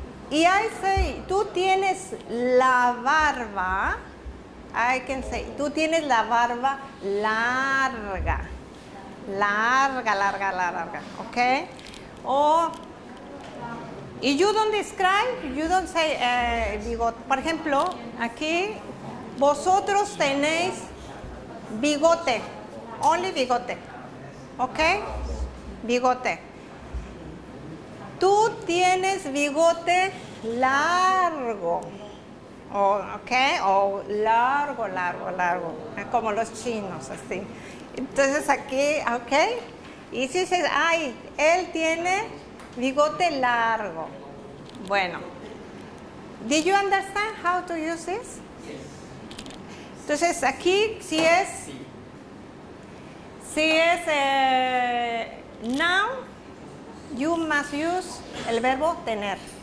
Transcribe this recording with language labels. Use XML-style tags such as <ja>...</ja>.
<es>Y</es> <en>I say,</en> <es>tú tienes la barba,</es> <en>I can say,</en> <es>tú tienes la barba larga, larga, larga, larga, ok?</es> <en>Y you don't describe, you don't say, bigote.</en> <es>Por ejemplo, aquí, vosotros tenéis bigote,</es> <en>only</en> <es>bigote, ok? Bigote. Tú tienes bigote largo, oh, ¿ok? Largo, como los chinos, así. Entonces aquí, ¿ok? Y si dices, ay, él tiene bigote largo. Bueno,</es> <en>did you understand how to use this? Yes.</en> <es>Entonces, aquí sí es. Si es</es> <en>now, you must use</en> <es>el verbo tener.</es>